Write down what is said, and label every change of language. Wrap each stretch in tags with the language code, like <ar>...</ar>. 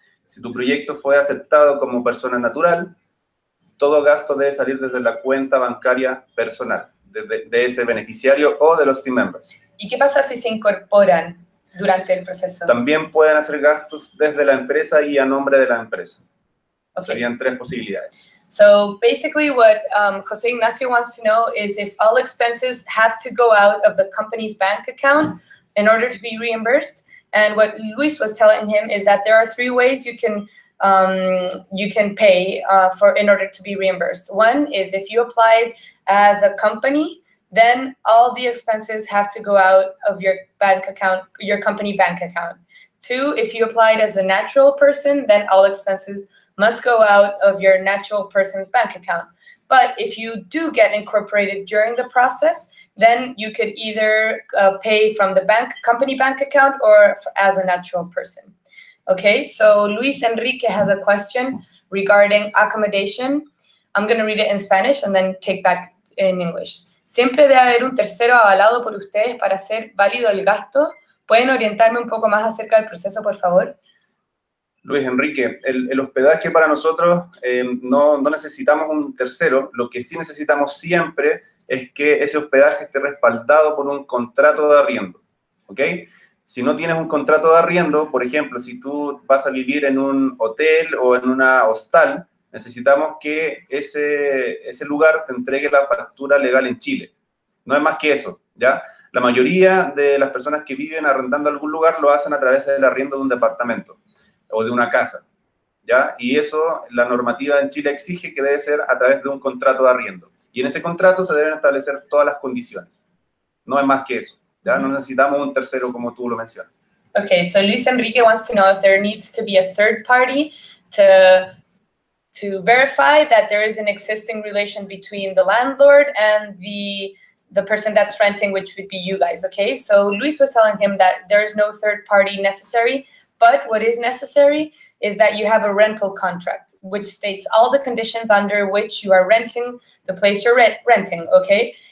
<es>Si tu proyecto fue aceptado como persona natural, todo gasto debe salir desde la cuenta bancaria personal, de ese beneficiario o de los</es> <en>team members.</en> <es>¿Y qué pasa si se incorporan durante el proceso? También pueden hacer gastos desde la empresa y a nombre de la empresa. Okay. Serían tres posibilidades.</es> <en>So basically what José Ignacio wants to know is if all expenses have to go out of the company's bank account in order to be reimbursed. And what Luis was telling him is that there are three ways you can pay for in order to be reimbursed. One is if you applied as a company, then all the expenses have to go out of your bank account, your company bank account. Two, if you applied as a natural person, then all expenses must go out of your natural person's bank account. But if you do get incorporated during the process, then you could either pay from the bank company bank account or as a natural person. Okay, so Luis Enrique has a question. regarding accommodation. I'm going to read it in Spanish and then take back in English.</en> <es>Siempre debe haber un tercero avalado por ustedes para hacer válido el gasto. ¿Pueden orientarme un poco más acerca del proceso, por favor? Luis Enrique, el hospedaje para nosotros no necesitamos un tercero. Lo que sí necesitamos siempre es que ese hospedaje esté respaldado por un contrato de arriendo, ¿ok? Si no tienes un contrato de arriendo, por ejemplo, si tú vas a vivir en un hotel o en una hostal, necesitamos que ese lugar te entregue la factura legal en Chile. No es más que eso, ¿ya? La mayoría de las personas que viven arrendando algún lugar lo hacen a través del arriendo de un departamento o de una casa, ¿ya? Y eso, la normativa en Chile exige que debe ser a través de un contrato de arriendo. Y en ese contrato se deben establecer todas las condiciones. No es más que eso, ¿ya? No necesitamos un tercero como tú lo mencionas.</es> <en>Okay, so Luis Enrique wants to know if there needs to be a third party to verify that there is an existing relation between the landlord and the person that's renting, which would be you guys, okay? So Luis was telling him that there is no third party necessary, but what is necessary is that you have a rental contract, which states all the conditions under which you are renting the place you're renting, okay?</en>